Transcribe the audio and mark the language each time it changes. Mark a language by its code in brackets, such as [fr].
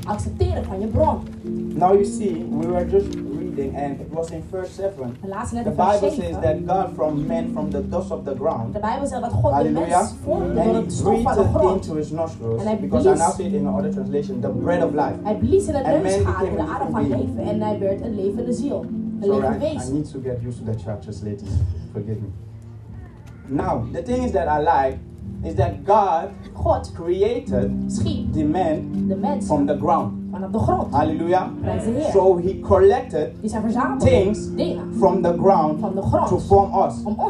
[nl] Accepteren van je bron. [en] Now you see, we were just reading. something, and it was in verse 7. The Bible says that God formed man from the dust of the ground. Hallelujah. And he breathed into his nostrils, because I now see it in another translation, the bread of life. [nl] Hij blies in het neusgaten, de adem van leven, en hij werd een levende ziel. [en] I need to get used to the chapters later. Forgive me. Now, the thing is that I like is that God created the man from the ground. Hallelujah. So he collected things from the ground to form us.